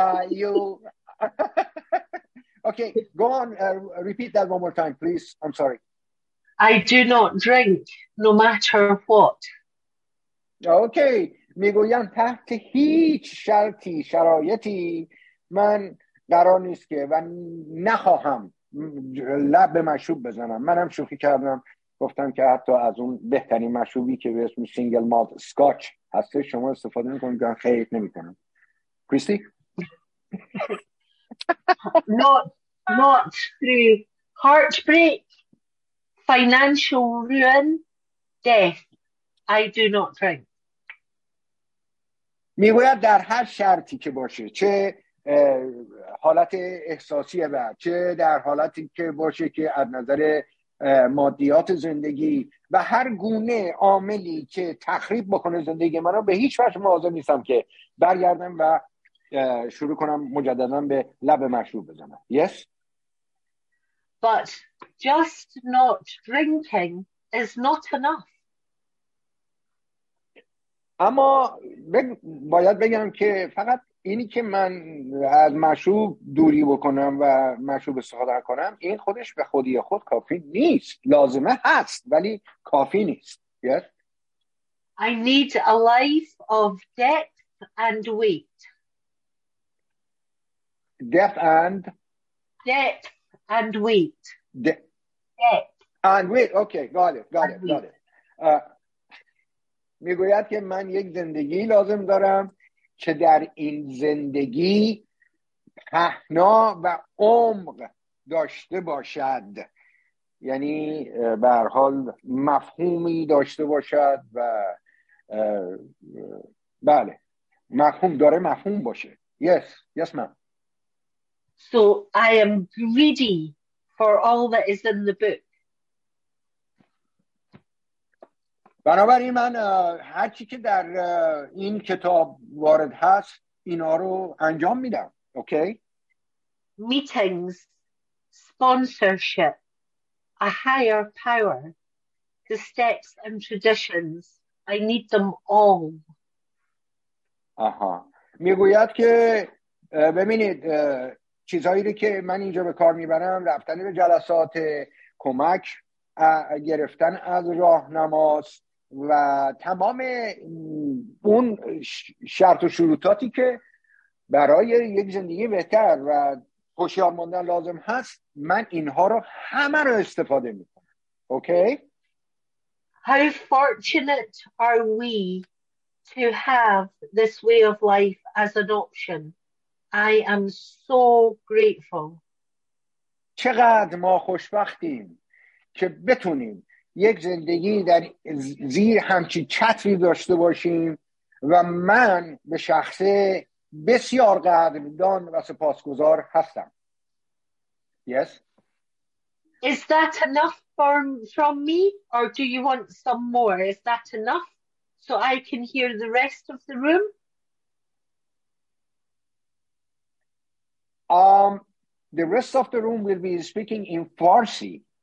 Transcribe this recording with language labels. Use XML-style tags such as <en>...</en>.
<en>You okay, go on, repeat that one more time, please. I'm sorry. I do not drink, no matter what.</en> <fa>Okay, میگویم تحت هیچ شرطی شرایطی من قرار نیست که و نخواهم لب به مشروب بزنم. منم شوخی کردم گفتم که حتی از اون بهترین مشروبی که به اسم سینگل مالت سکاچ هسته شما استفاده میکنم که خیلی نمی کنم. کریستی؟</fa> <en>Not through heartbreak, financial ruin, death, I do not drink.</en> <fa>میگوید در هر شرطی که باشه، چه حالت احساسی و چه در حالتی که باشه که از نظر مادیات زندگی و هر گونه عاملی که تخریب بکنه زندگی من رو، به هیچ وجه مواظب نیستم که برگردم و شروع کنم مجددا به لب مشروب بزنم.</fa> <en>Yes. But just not drinking is not enough.</en> <fa>اما باید بگم که فقط اینی که من از مشروب دوری بکنم و مشروب استفاده کنم، این خودش به خودی خود کافی نیست. لازمه هست ولی کافی نیست. Yes.</fa> <en>I need a life of depth and weight. Depth and depth and weight. Depth And wait, okay, got it.</en> <fa>میگوید که من یک زندگی لازم دارم که در این زندگی پهنا و عمق داشته باشد، یعنی به هر حال مفهومی داشته باشد و بله مفهوم داره مفهوم باشه.</fa> <en>Yes ma'am. So I am greedy for all that is in the book.</en> <fa>بنابراین من هر چی که در این کتاب وارد هست اینا رو انجام میدم. اوکی؟</fa> <en>Meetings, sponsorship, a higher power, the steps and traditions, I need them all.</en> <fa>آها. میگوید که ببینید چیزایی رو که من اینجا به کار میبرم، رفتن به جلسات، کمک گرفتن از راهنماس و تمام اون شرط و شروطاتی که برای یک زندگی بهتر و خوشحال ماندن لازم هست، من اینها رو همه رو استفاده میکنم. اوکی؟</fa> <en>How fortunate are we to have this way of life as an option? I am so grateful.</en> <fa>چقدر ما خوشبختیم که بتونیم یک زندگی در زیر همچی چتری داشته باشیم و من به شخصه بسیار قدردان و سپاسگزار هستم.</fa> <en>Yes? Is that enough from me or do you want some more? Is that enough so I can hear the rest of the room? The rest of the room will be speaking in Farsi.</en>